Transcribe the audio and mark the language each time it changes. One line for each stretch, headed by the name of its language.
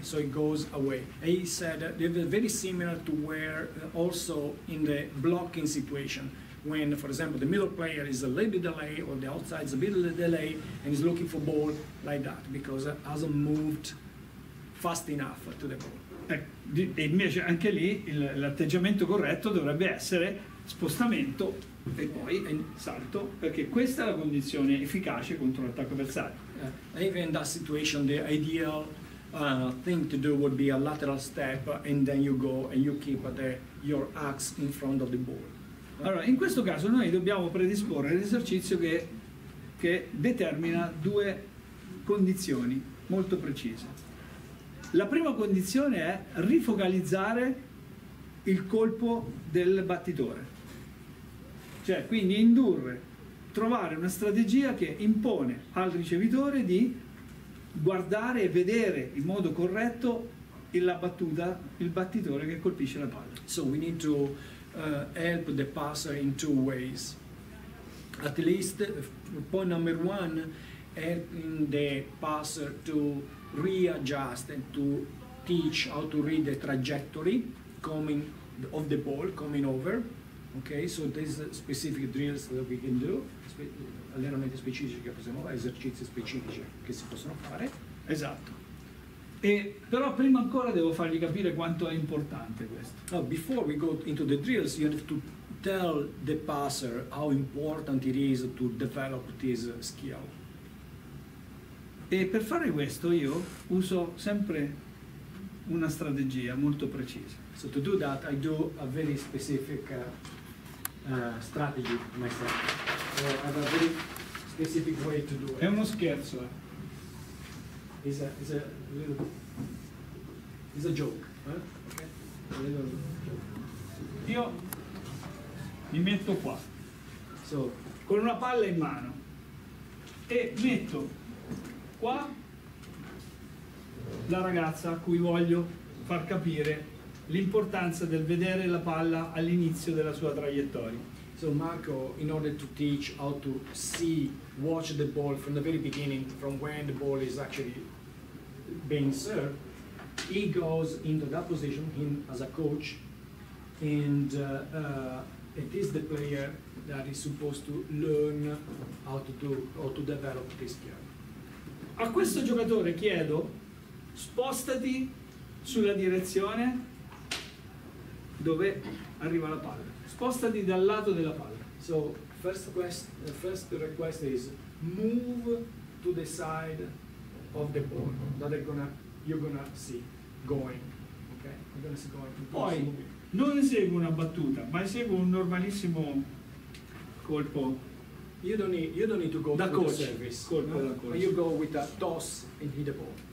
English: So it goes away. And he said they were very similar to where also in the blocking situation. When, for example, the middle player is a little bit delay, or the outside is a bit of a delay, and is looking for ball like that because it hasn't moved fast enough to the ball.
Italian: E invece anche lì l'atteggiamento corretto dovrebbe essere spostamento e poi salto, perché questa è la condizione efficace contro l'attacco avversario.
English: Even in that situation, the ideal thing to do would be a lateral step, and then you go and you keep your axe in front of the ball.
Italian: Allora, in questo caso noi dobbiamo predisporre l'esercizio che determina due condizioni molto precise. La prima condizione è rifocalizzare il colpo del battitore. Cioè, quindi trovare una strategia che impone al ricevitore di guardare e vedere in modo corretto la battuta, il battitore che colpisce la palla.
English: So we need to help the passer in two ways. At least point number one, helping the passer to readjust and to teach how to read the trajectory coming of the ball coming over. Okay, so these specific drills that we can do,
Italian: allenamenti specifici che possiamo fare, esercizi specifici che si possono fare. Esatto. E però prima ancora devo fargli capire quanto è importante questo.
English: Now, before we go into the drills, you have to tell the passer how important it is to develop this skill.
Italian: E per fare questo io uso sempre una strategia molto precisa.
English: So to do that, I do a very specific strategy myself. I have a very specific way to do it.
Italian: È uno scherzo.
English: It's a joke. Huh?
Italian: Okay. Io mi metto qua.
English: So,
Italian: con una palla in mano. E metto qua la ragazza a cui voglio far capire l'importanza del vedere la palla all'inizio della sua traiettoria.
English: So Marco, in order to teach how to see, watch the ball from the very beginning, from when the ball is actually being served, he goes into that position, him as a coach, and it is the player that is supposed to learn how to do, how to develop this skill.
Italian: A questo giocatore chiedo, spostati sulla direzione dove arriva la palla. Spostati dal lato della palla.
English: So, first request is move to the side of the ball that you're gonna see going. Okay? You're gonna see going.
Italian: Poi, non esegue una battuta, ma esegue un normalissimo colpo.
English: You don't need to go
Italian: da
English: for the service.
Italian: Colpo no? Da coach.
English: You go with a toss and hit the ball.